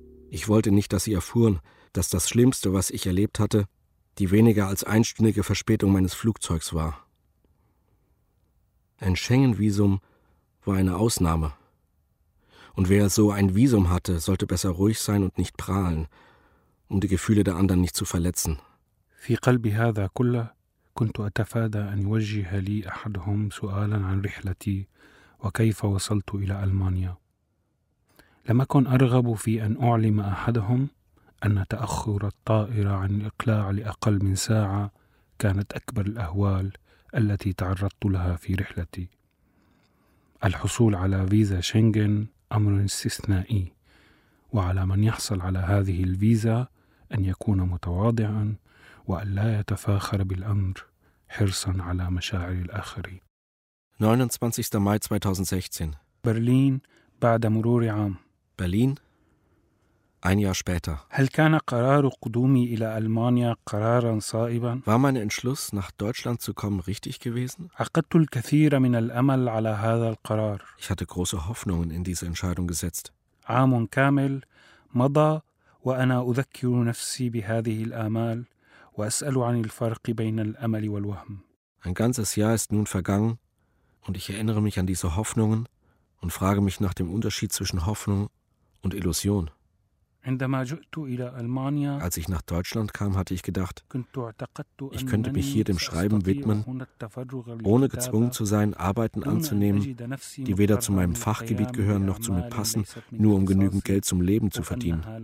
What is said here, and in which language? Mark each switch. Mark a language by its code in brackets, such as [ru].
[de] Ich wollte nicht, dass sie erfuhren, dass das Schlimmste, was ich erlebt hatte, die weniger als 1-stündige Verspätung meines Flugzeugs war. Ein Schengen-Visum war eine Ausnahme. Und wer so ein Visum hatte, sollte besser ruhig sein und nicht prahlen, um die Gefühle der anderen nicht zu verletzen. [ar] في قلبي هذا كله كنت أتفادى أن يوجه لي أحدهم سؤالا عن رحلتي وكيف وصلت إلى ألمانيا. لم أكن أرغب في أن أعلم أحدهم أن تأخر الطائرة عن الإقلاع لأقل من ساعة كانت أكبر الأهوال التي تعرضت لها في رحلتي. الحصول على فيزا شنغن أمر استثنائي، وعلى من يحصل على هذه الفيزا أن يكون متواضعا وأن لا يتفاخر بالأمر حرصا على مشاعر الآخرين. 29 ماي 2016 برلين بعد مرور عام. [de] برلين؟ Ein Jahr später. [ar] هل كان قرار قدومي إلى ألمانيا قراراً صائباً؟ [de] War mein Entschluss, nach Deutschland zu kommen, richtig gewesen? [ar] عقدت الكثير من الأمل على هذا القرار. [de] Ich hatte große Hoffnungen in diese Entscheidung gesetzt. [ar] عام كامل مضى وأنا أذكر نفسي بهذه الآمال وأسأل عن الفرق بين الأمل والوهم. [de] Ein ganzes Jahr ist nun vergangen und ich erinnere mich an diese Hoffnungen und frage mich nach dem Unterschied zwischen Hoffnung und Illusion. [ar] عندما جئت إلى ألمانيا [de] Als ich nach Deutschland kam, hatte ich gedacht, ich könnte mich hier dem Schreiben widmen, ohne gezwungen zu sein, Arbeiten anzunehmen, die weder zu meinem Fachgebiet gehören noch zu mir passen, nur um genügend Geld zum Leben zu verdienen.